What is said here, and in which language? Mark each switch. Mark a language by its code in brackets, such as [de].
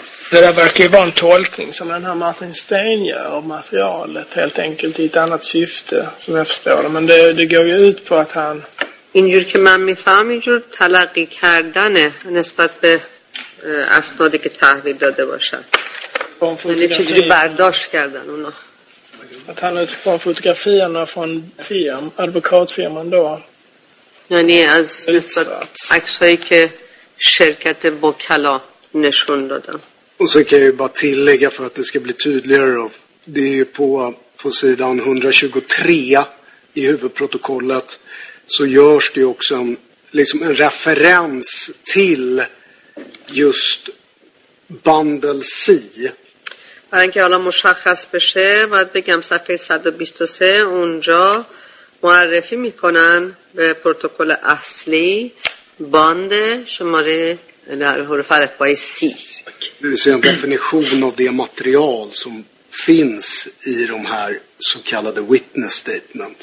[sv] Det där verkar ju vara en tolkning som den här Martin Stein gör av materialet helt enkelt i ett annat syfte som jag förstår. Men det går ju ut på att han... [fa] اینجور که من میفهم اینجور تلقی کردن نسبت به اسنادی که تحویل داده باشن. یعنی چجوری برداشت کردن اونا. [sv] Att han utifrån fotografierna från advokatfirman då. [fa] یعنی از نسبت عکسایی که شرکت وکلا نشون دادن. [sv] Och så kan jag ju bara tillägga för att det ska bli tydligare då. Det är ju på sidan 123 i huvudprotokollet så görs det ju också en referens till just bundle C. [fa] برای اینکه حالا مشخص بشه باید بگم صفحه 123 اونجا معرفی میکنن به پروتکل اصلی بند شماره در حرف الف با C. [sv] Det vill säga en definition av det material som finns i de här så kallade witness statement.